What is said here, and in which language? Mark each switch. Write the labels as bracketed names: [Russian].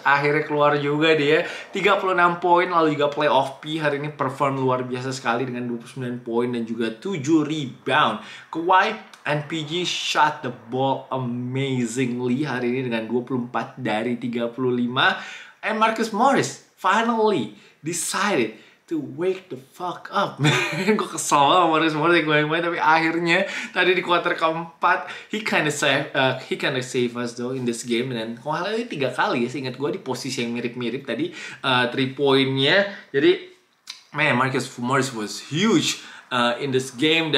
[Indonesian] Akhirnya keluar juga dia, 36 poin lalu juga playoff P. Hari ini perform luar biasa sekali dengan 29 poin dan juga 7 rebound. [English] Kawhi and PG shot the ball amazingly [Indonesian] hari ini dengan 24 dari 35. [English] And Marcus Morris finally decided to wake the fuck up. [Indonesian] Gue kesel sama Marcus Morris yang goyang-goyang, tapi akhirnya tadi di quarter keempat [English] he kinda save us though in this game. [Indonesian] Dan kalau ini 3 kali ya, seingat gue di posisi yang mirip-mirip tadi 3 poinnya. [English] Jadi man, Marcus Morris was huge in this game.